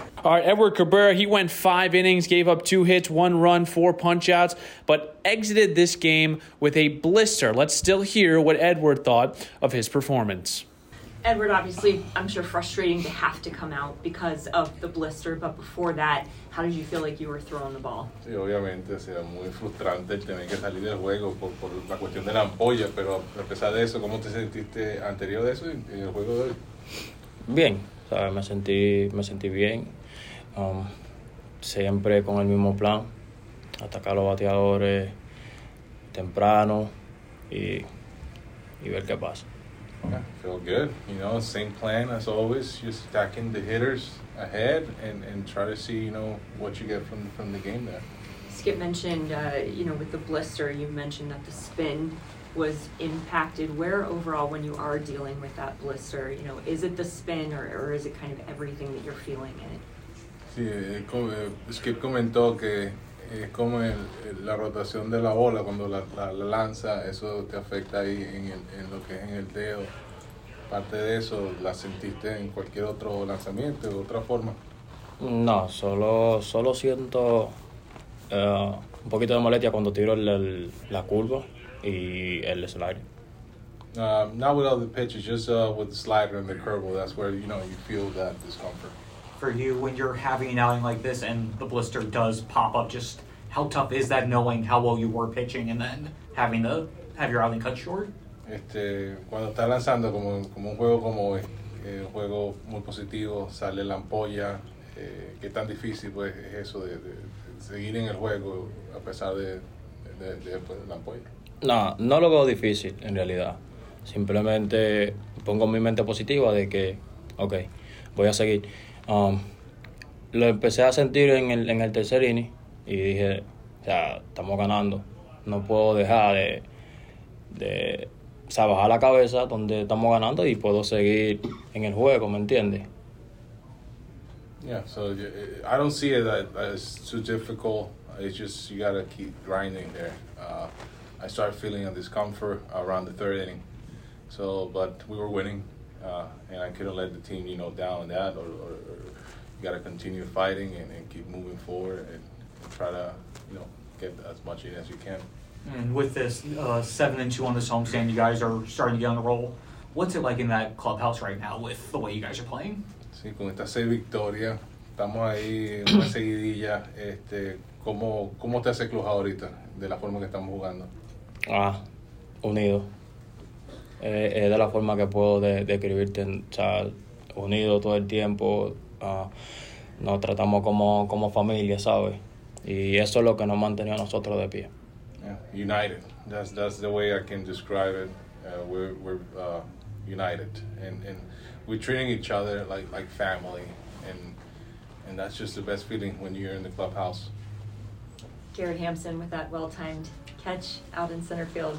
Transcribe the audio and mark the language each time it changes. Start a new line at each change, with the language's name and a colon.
English: All right, Edward Cabrera, he went five innings, gave up two hits, one run, four punchouts, but exited this game with a blister. Let's still hear what Edward thought of his performance. Edward, obviously, I'm sure frustrating to have to come out because of the blister, but before that, how did you feel like you were throwing the ball?
Spanish: Sí, obviamente, sí, muy frustrante tener que salir del juego por la cuestión de la ampolla, pero a pesar de eso, ¿cómo te sentiste anterior de eso en el juego de hoy? Bien, o sea, me sentí bien, siempre con el mismo plan, atacar a los bateadores temprano y ver qué pasa.
English: Yeah, feel good, same plan as always, just attacking the hitters ahead and try to see, what you get from the game there. Skip mentioned, with the blister, you mentioned that the spin was impacted. Where overall, when you are dealing with that blister, is it the spin or is it kind of everything that you're feeling in it?
Spanish: Sí, Skip comentó que es como la rotación de la bola cuando la lanza, eso te afecta ahí en lo que es en el dedo. Parte de eso, ¿la sentiste en cualquier otro lanzamiento de otra forma? No, solo siento un poquito de molestia cuando tiro la curva y el slider.
English: Not with all the pitches, just with the slider and the curve, that's where you feel that discomfort. For you, when you're having an outing like this and the blister does pop up, just how tough is that knowing how well you were pitching and then having to have your outing cut short?
Spanish: Cuando está lanzando como un juego como hoy, un juego muy positivo, sale la ampolla, ¿qué tan difícil pues es eso de seguir en el juego a pesar de la ampolla? No lo veo difícil en realidad. Simplemente pongo mi mente positiva de que, okay, voy a seguir. Lo empecé a sentir en el tercer inning y dije, estamos ganando. No puedo dejar de bajar la cabeza donde estamos ganando y puedo seguir en el juego, ¿me entiendes?
English: Yeah, so I don't see it that it's too difficult. It's just you gotta keep grinding there. I started feeling a discomfort around the third inning. But we were winning. And I couldn't let the team, down on that. Or you got to continue fighting and keep moving forward and try to, get as much in as you can. And with this 7-2 on this homestand, you guys are starting to get on the roll. What's it like in that clubhouse right now with the way you guys are playing?
Spanish: Sí, con esta 6 victoria, estamos ahí una seguidilla. ¿Cómo te hace clujado ahorita de la forma que estamos jugando? Unido. De la forma que puedo describirte, unido todo el tiempo, nos tratamos como familia, ¿sabes? Y eso es lo que nos mantenía a nosotros de pie.
English: united. That's the way I can describe it. We're united, and we're treating each other like family, and that's just the best feeling when you're in the clubhouse. Garrett Hampson with that well-timed catch out in center field.